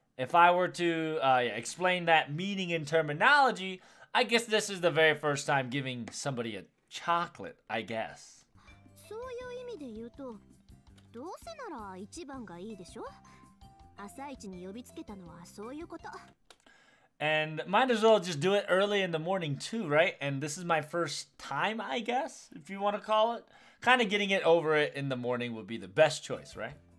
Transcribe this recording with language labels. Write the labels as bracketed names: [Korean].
[English] If I were to explain that meaning in terminology, I guess this is the very first time giving somebody a chocolate, I guess. [Japanese] そういう意味で言うと、どうせなら一番がいいでしょ。朝一に呼びつけたのはそういうこと。 [English] And might as well just do it early in the morning too, right? And this is my first time, I guess, if you want to call it. Kind of getting it over it in the morning would be the best choice, right?